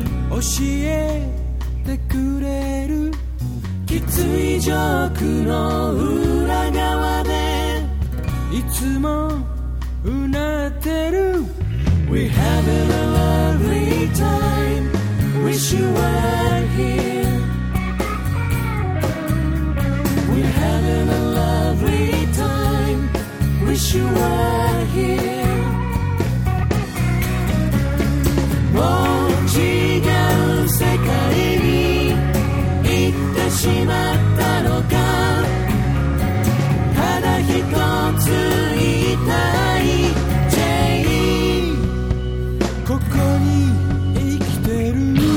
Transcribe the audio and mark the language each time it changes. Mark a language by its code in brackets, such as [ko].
[ja] 教えてくれる。きついジョークの裏側でいつもうなってる。 [en] We have a lovely time, wish you were here. We have a lovely time, wish you were here. [ja] もう違う世界に行ってしまったのか。ただ一つ言いたい、ジェイ、ここに生きてる。